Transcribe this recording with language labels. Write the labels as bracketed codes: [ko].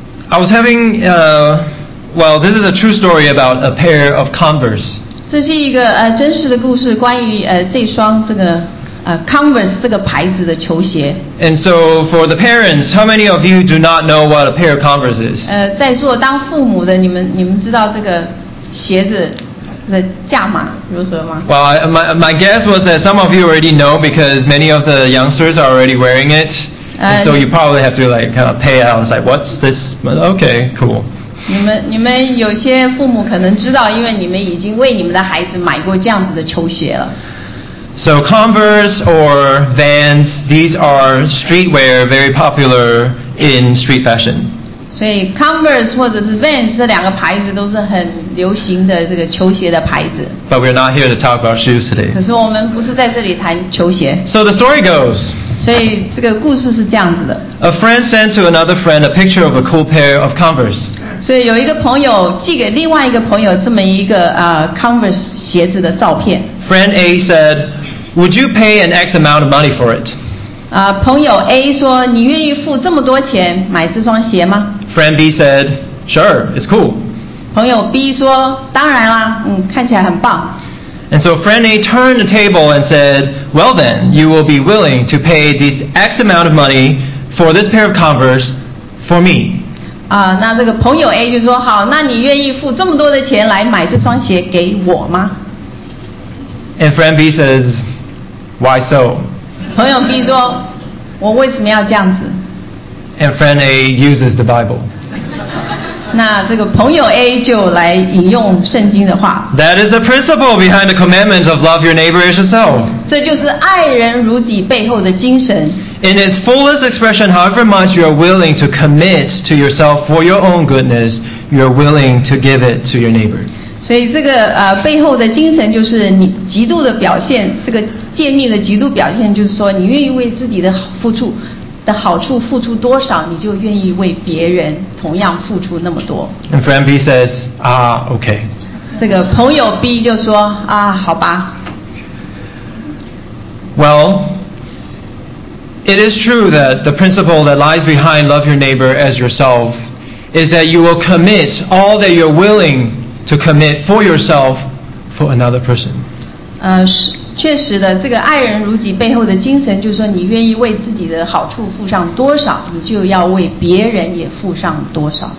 [en] I was having, well, this is a true story about a pair of Converse. [zh] 这是一个真实的故事，关于这双这个Converse 这个牌子的球鞋。 [en] And so for the parents, how many of you do not know what a pair of Converse is? [zh] 在座当父母的，你们知道这个鞋子的价码如何吗？ [en] Well, my guess was that some of you already know because many of the youngsters are already wearing it. And so you probably have to like kind of pay out. It's like, what's this? Okay, cool. [zh] 你们有些父母可能知道，因为你们已经为你们的孩子买过这样子的球鞋了。 [en] So Converse or Vans, these are streetwear very popular in street fashion. [zh] 所以 Converse 或者是 Vans 这两个牌子都是很流行的这个球鞋的牌子。 [en] But we're not here to talk about shoes today. [zh] 可是我们不是在这里谈球鞋。 [en] So the story goes. [zh] 所以这个故事是这样子的。 [en] A friend sent to another friend a picture of a cool pair of Converse. [zh] 所以有一个朋友寄给另外一个朋友这么一个Converse 鞋子的照片。 [en] Friend A said, "Would you pay an X amount of money for it?" [zh] 朋友 A 说，你愿意付这么多钱买这双鞋吗？ [en] Friend B said, "Sure, it's cool." [zh] 朋友 B 说，当然啦，看起来很棒。 [en] And so friend A turned the table and said, "Well then, you will be willing to pay this X amount of money for this pair of Converse for me." [zh] 那这个朋友 A 就说，好，那你愿意付这么多的钱来买这双鞋给我吗？ [en] And friend B says, "Why so?" [zh] 朋友 B 说，我为什么要这样子？ [en] And friend A uses the Bible. [zh] 那这个朋友 A 就来引用圣经的话。 [en] That is the principle behind the commandment of love your neighbor as yourself. [zh] 这就是爱人如己背后的精神。 [en] In its fullest expression, however much you are willing to commit to yourself for your own goodness, you are willing to give it to your neighbor. [zh] 所以这个背后的精神就是你极度的表现，这个诫命的极度表现就是说，你愿意为自己的付出的好处付出多少，你就愿意为别人同样付出那么多。 [en] And friend B says, "Ah, okay." [zh] 这个朋友 B 就说啊，好吧。 [en] Well, it is true that the principle that lies behind love your neighbor as yourself is that you will commit all that you're willing. To commit for yourself for another person. [zh] 确实的，这个爱人如己背后的精神就是说，你愿意为自己的好处付上多少，你就要为别人也付上多少。